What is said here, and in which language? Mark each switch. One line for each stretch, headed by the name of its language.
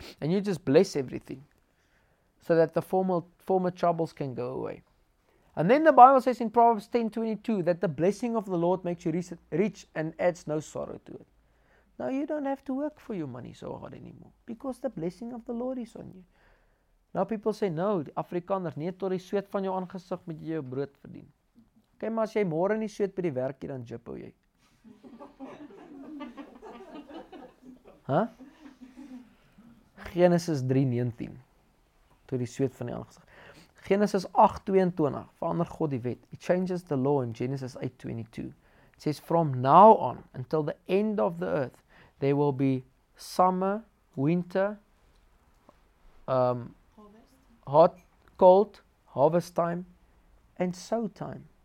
English: And you just bless everything. So that the former troubles can go away. And then the Bible says in Proverbs 10:22 that the blessing of the Lord makes you rich and adds no sorrow to it. Now you don't have to work for your money so hard anymore. Because the blessing of the Lord is on you. Now people say, no,
Afrikaans: die Afrikaner, nie tot die sweet van jou aangesig moet jy jou brood verdien. Okay, maar as jy môre nie sweet by die werk hier, dan jippo jy. Genesis 3:19. Toe die sweet van die aangesig.
English: Genesis 8:22,
Afrikaans: verander God die wet.
English: It changes the law in Genesis 8:22. It says, from now on, until the end of the earth, there will be summer, winter, hot, cold, harvest time, and sow time.